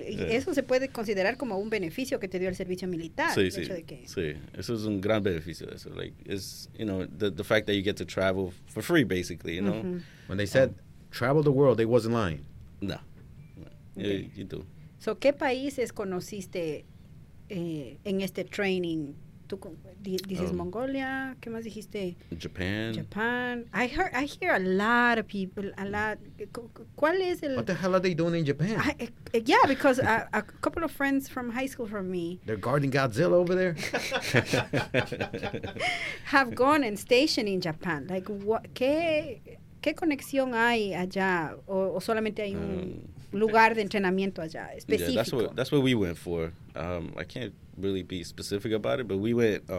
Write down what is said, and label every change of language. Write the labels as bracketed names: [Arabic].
[Spanish] Eso se puede considerar como un beneficio que te dio el servicio militar. Sí, sí. Sí, eso es un gran beneficio. Eso. [English] Like, it's, you know, the fact that you get to travel for free, basically, you know. Mm-hmm. When they said travel the world, they wasn't lying. No. Okay. You do. [Spanish] So, ¿qué países conociste en este training [English] This is Mongolia. [Spanish] ¿Qué más dijiste? [English] Japan. I hear a lot of people. A lot. [Spanish] ¿Cuál es el? [English] What the hell are they doing in Japan? Because a couple of friends from high school from me. They're guarding Godzilla over there. Have gone and stationed in Japan. Like what? [Spanish] ¿Qué conexión hay allá? O solamente hay un lugar de entrenamiento allá específico. [English] Yeah, that's what we went for. I can't really be specific about it, but we went